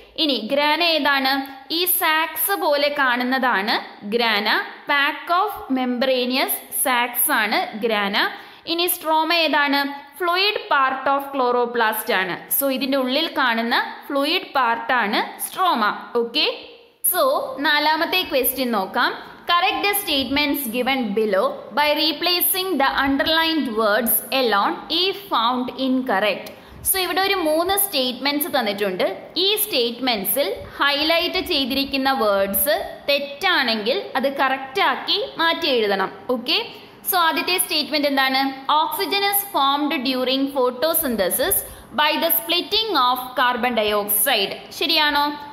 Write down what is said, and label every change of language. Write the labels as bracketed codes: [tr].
[ml] ഇനി ഗ്രാന ഏതാണ്? ഈ സാക്സ് പോലെ കാണുന്നതാണ് ഗ്രാന. [en] Pack of membranous sacs ആണ് grana. [ml] ഇനി സ്ട്രോമ ഏതാണ്? ഫ്ലൂയിഡ് പാർട്ട് ഓഫ് ക്ലോറോപ്ലാസ്റ്റ് ആണ്. സോ ഇതിൻ്റെ ഉള്ളിൽ കാണുന്ന ഫ്ലൂയിഡ് പാർട്ടാണ് സ്ട്രോമ. ഓക്കെ, സോ നാലാമത്തെ ക്വസ്റ്റ്യൻ നോക്കാം. [en] Correct the statements given below by replacing the underlined words alone if found incorrect. [ml] So, ഇവിടെ ഒരു മൂന്ന് സ്റ്റേറ്റ്മെന്റ്സ് തന്നിട്ടുണ്ട്. ഈ സ്റ്റേറ്റ്മെന്റ്സിൽ ഹൈലൈറ്റ് ചെയ്തിരിക്കുന്ന വേർഡ്സ് തെറ്റാണെങ്കിൽ അത് കറക്റ്റ് ആക്കി മാറ്റി എഴുതണം. [en] okay, so [ml] ആദ്യത്തെ സ്റ്റേറ്റ്മെന്റ് എന്താണ്? [en] Oxygen is formed during photosynthesis by the splitting of carbon dioxide. [ml] ശരിയാണോ?